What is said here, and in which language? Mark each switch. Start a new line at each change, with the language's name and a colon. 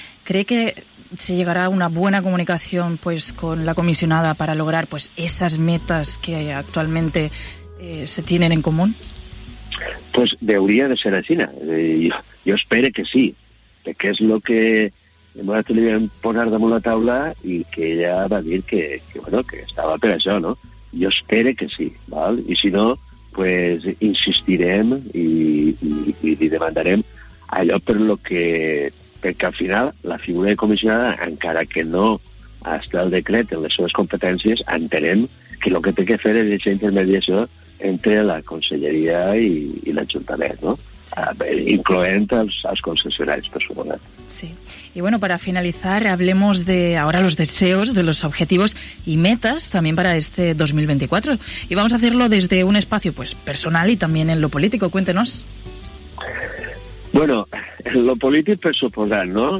Spanish: ¿Cree que se llegará a una buena comunicación pues con la comisionada para lograr pues esas metas que actualmente se tienen en común? Pues debería de ser así, ¿no? Yo espero que sí, que es lo que nosotros le
Catalan: vam posar damunt la taula
Spanish: y que ella
Catalan: va a dir que bueno, que estava per això,
Spanish: ¿no?
Catalan: Jo espero que sí, val? I si no, pues insistirem i demandarem allò perquè al final la figura de comissionada, encara que no està el decret en les seves competències, entenem que el que té que fer és aquesta intermediació entre la conselleria i l'Ajuntament, no? Incloent els concessionaris, per suposat. Sí.
Spanish: Y bueno, para finalizar, hablemos de ahora los deseos, de los objetivos y metas también para este 2024. Y vamos a hacerlo desde un espacio pues personal y también en lo político. Cuéntenos. Bueno, lo político,
Catalan: per suposar,
Spanish: ¿no?